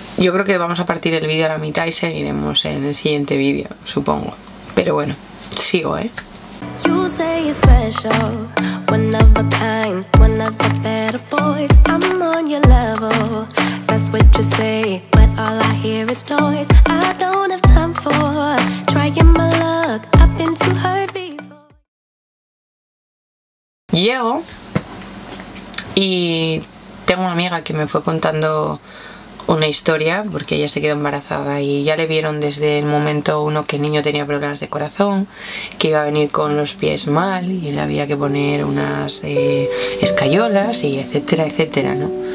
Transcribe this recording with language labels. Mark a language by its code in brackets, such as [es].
[es] Yo creo que vamos a partir el vídeo a la mitad y seguiremos en el siguiente vídeo, supongo. Pero bueno, sigo, ¿eh? [en] You say you're special, one of a kind, one of the better boys. I'm on your level, that's what you say, but all I hear is noise. I don't have time for trying my luck, I've been too hurt before. [es] Llego y tengo una amiga que me fue contando una historia, porque ella se quedó embarazada y ya le vieron desde el momento uno que el niño tenía problemas de corazón, que iba a venir con los pies mal y le había que poner unas escayolas y etcétera, etcétera, ¿no?